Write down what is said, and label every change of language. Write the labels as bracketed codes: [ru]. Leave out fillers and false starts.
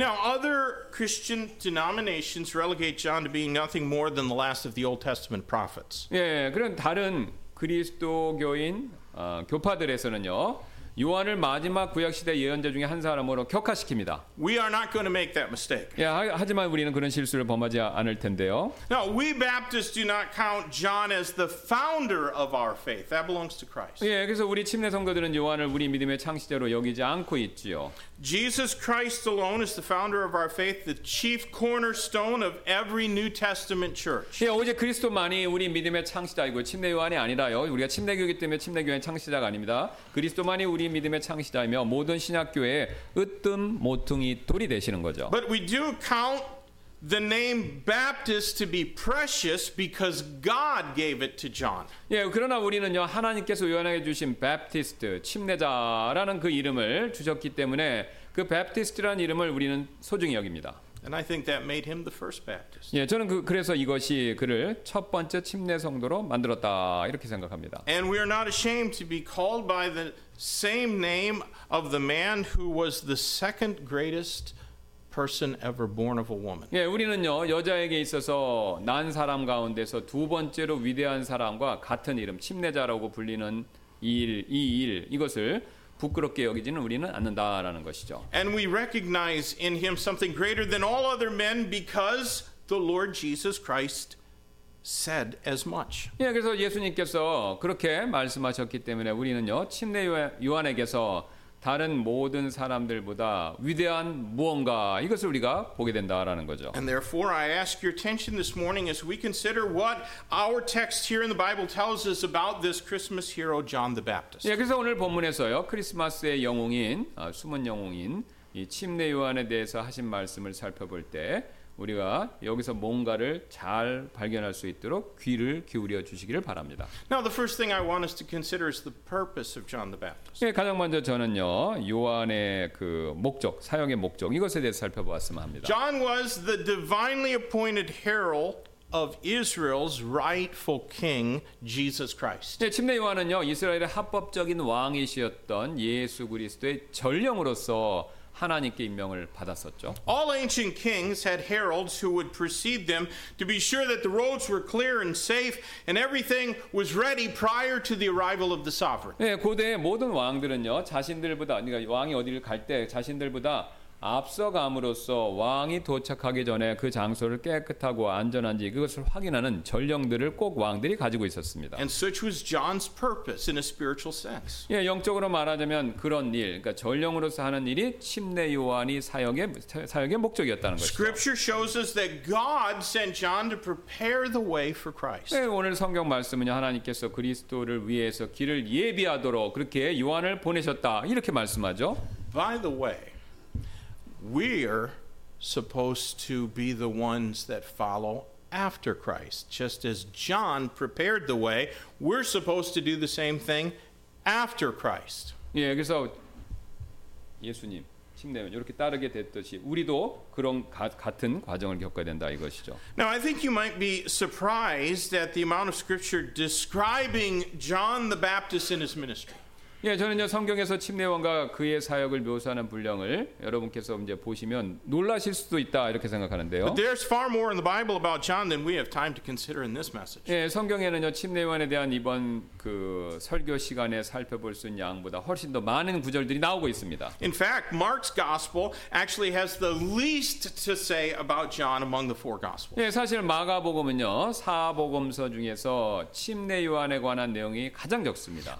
[en] Now other Christian denominations relegate John to being nothing more than the last of the Old Testament prophets. [ko] 예, 그런 다른 그리스도교인 교파들에서는요. 요한을 마지막 구약 시대 예언자 중에 한 사람으로 격하시킵니다. [en] We are not going to make that mistake. [ko] 예, 하지만 우리는 그런 실수를 범하지 않을 텐데요. [en] Now we Baptists do not count John as the founder of our faith. That belongs to Christ. [ko] 예, 그래서 우리 침례 성도들은 요한을 우리 믿음의 창시자로 여기지 않고 있지요. [en] Jesus Christ alone is the founder of our faith, the chief cornerstone of every New Testament church. [ko] 예, 오직 그리스도만이 우리 믿음의 창시자이고 침례 요한이 아니라요. 우리가 침례교이기 때문에 침례교의 창시자가 아닙니다. 그리스도만이 우리 믿음의 창시자이며 모든 신약교의 으뜸 모퉁이 돌이 되시는 거죠. [en] But we do count the name Baptist to be precious because God gave it to John. [ko] 예, 그러나 우리는요 하나님께서 요한에게 주신 Baptist, 침례자라는 그 이름을 주셨기 때문에 그 Baptist라는 이름을 우리는 소중히 여깁니다. [en] And I think that made him the first Baptist. [ko] 예, 저는 그래서 이것이 그를 첫 번째 침례 성도로 만들었다 이렇게 생각합니다. [en] And we are not ashamed to be called by the same name of the man who was the second greatest person ever born of a woman. [ko] 예, 우리는요 여자에게 있어서 난 사람 가운데서 두 번째로 위대한 사람과 같은 이름 침례자라고 불리는 이 일 이것을 부끄럽게 여기지는 우리는 않는다라는 것이죠. [en] And we recognize in him something greater than all other men because the Lord Jesus Christ said as much. [ko] 예, 그래서 예수님께서 그렇게 말씀하셨기 때문에 우리는요 침례 요한에게서 다른 모든 사람들보다 위대한 무언가 이것을 우리가 보게 된다라는 거죠. [en] And therefore I ask your attention this morning as we consider what our text here in the Bible tells us about this Christmas hero John the Baptist. [ko] 예, 그래서 오늘 본문에서요. 크리스마스의 영웅인 숨은 영웅인 이 침례 요한에 대해서 하신 말씀을 살펴볼 때 우리가 여기서 뭔가를 잘 발견할 수 있도록 귀를 기울여 주시기를 바랍니다. [en] Now the first thing I want us to consider is the purpose of John the Baptist. [ko] 예, 가장 먼저 저는요 요한의 그 목적, 사역의 목적 이것에 대해서 살펴보았으면 합니다. [en] John was the divinely appointed herald of Israel's rightful king, Jesus Christ. [ko] 예, 침례 요한은요 이스라엘의 합법적인 왕이시었던 예수 그리스도의 전령으로서 하나님께 임명을 받았었죠. [en] All ancient kings had heralds who would precede them to be sure that the roads were clear and safe and everything was ready prior to the arrival of the sovereign. [ko] 예, 고대의 모든 왕들은요. 자신들보다 그러니까 왕이 어디를 갈 때 자신들보다 앞서감으로써 왕이 도착하기 전에 그 장소를 깨끗하고 안전한지 그것을 확인하는 전령들을 꼭 왕들이 가지고 있었습니다. [en] And such was John's purpose in a spiritual sense. [ko] 예, 영적으로 말하자면 그런 일, 그러니까 전령으로서 하는 일이 침례 요한이 사역의 목적이었다는 것이죠. [en] Scripture shows us that God sent John to prepare the way for Christ. [ko] 예, 오늘 성경 말씀은요 하나님께서 그리스도를 위해서 길을 예비하도록 그렇게 요한을 보내셨다 이렇게 말씀하죠. [en] By the way, we are supposed to be the ones that follow after Christ. Just as John prepared the way, we're supposed to do the same thing after Christ. [ko] 예, 그래서 예수님 침례면 이렇게 따르게 됐듯이 우리도 그런 같은 과정을 겪어야 된다 이것이죠. [en] Now I think you might be surprised at the amount of scripture describing John the Baptist in his ministry. [ko] 예, 저는요 성경에서 침례원과 그의 사역을 묘사하는 분량을 여러분께서 이제 보시면 놀라실 수도 있다 이렇게 생각하는데요. [en] But there's far more in the Bible about John than we have time to consider in this message. [ko] 예, 성경에는요 침례원에 대한 이번 그 설교 시간에 살펴볼 수 있는 양보다 훨씬 더 많은 구절들이 나오고 있습니다. [en] In fact, Mark's gospel actually has the least to say about John among the four gospels. [ko] 예, 사실 마가복음은요 사복음서 중에서 침례요한에 관한 내용이 가장 적습니다.